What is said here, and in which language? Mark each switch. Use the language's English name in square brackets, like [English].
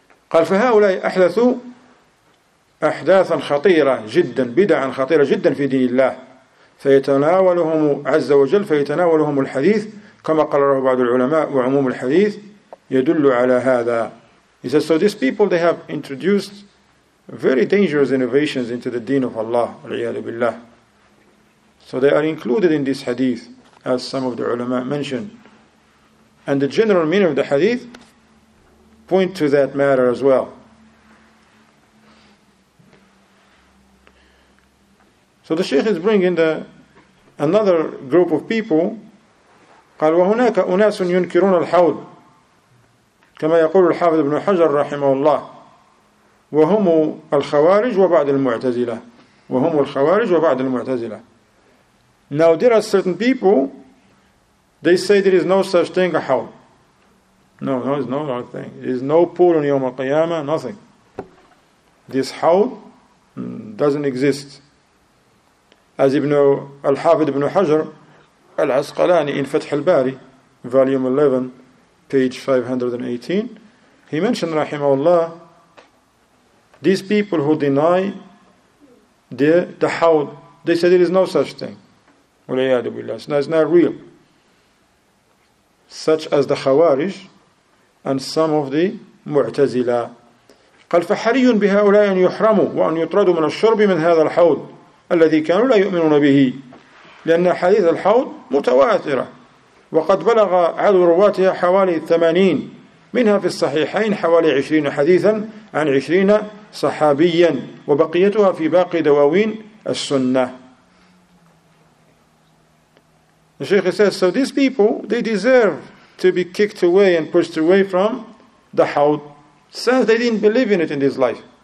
[Arabic] قال فهؤلاء أحدثوا أحداثا خطيرة جدا بدعا خطيرة جدا في دين الله فيتناولهم عز وجل فيتناولهم الحديث كما قرره بعض العلماء وعموم الحديث يدل على هذا. [English] He says, so these people, they have introduced very dangerous innovations into the deen of Allah, [Arabic] العياذ بالله. [English] So they are included in this hadith as some of the ulama mentioned. And the general meaning of the hadith point to that matter as well. So the Shaykh is bringing another group of people. [Arabic] قال وهناك أناس ينكرون الحوض كما يقول الحافظ ابن حجر رحمه الله وهم الخوارج وبعض المعتزلة وهم الخوارج وبعض المعتزلة. [English] Now there are certain people, they say there is no such thing as حوض. No, it's not our thing. There's no pool on Yawm al-Qiyamah, nothing. This hawd doesn't exist. As Ibn al-Hafidh ibn Hajar al-Asqalani in Fath al-Bari, volume 11, page 518, he mentioned, rahimahullah, these people who deny the hawd, they said there is no such thing. [Arabic] Walayyadu billah. [English] It's not real. Such as the Khawarij, and some of the Mu'tazila. [Arabic] قال فحري بهؤلاء أن يحرموا وأن يطردوا من الشرب من هذا الحوض الذي كانوا لا يؤمنون به لأن حديث الحوض متواترة وقد بلغ عدد رواتها حوالي 80 منها في الصحيحين حوالي 20 حديثا عن 20 صحابيا وبقيتها في باقي دواوين السنة. [English] The Sheikh says, so these people, they deserve to be kicked away and pushed away from the Hawd, since they didn't believe in it in this life.